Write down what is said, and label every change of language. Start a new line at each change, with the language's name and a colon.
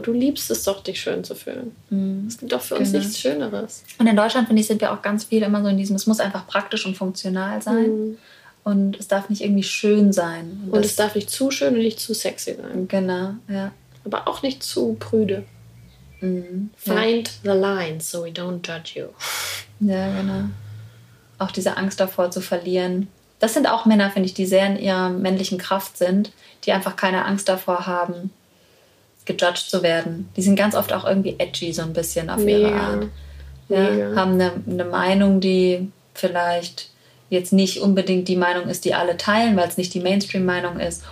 German: Du liebst es doch, dich schön zu fühlen. Mhm. Es gibt doch für uns nichts Schöneres. Und in Deutschland, finde ich, sind wir auch ganz viel immer so in diesem, es muss einfach praktisch und funktional sein. Mhm. Und es darf nicht irgendwie schön sein. Und es darf nicht zu schön und nicht zu sexy sein. Genau, ja. Aber auch nicht zu prüde. Mhm.
English: Find the line, so we don't judge you.
German: Ja, genau. Auch diese Angst davor zu verlieren. Das sind auch Männer, finde ich, die sehr in ihrer männlichen Kraft sind, die einfach keine Angst davor haben, gejudged zu werden. Die sind ganz oft auch irgendwie edgy, so ein bisschen auf ihre Art. Ja, mega. Haben eine Meinung, die vielleicht jetzt nicht unbedingt die Meinung ist, die alle teilen, weil es nicht die Mainstream-Meinung ist.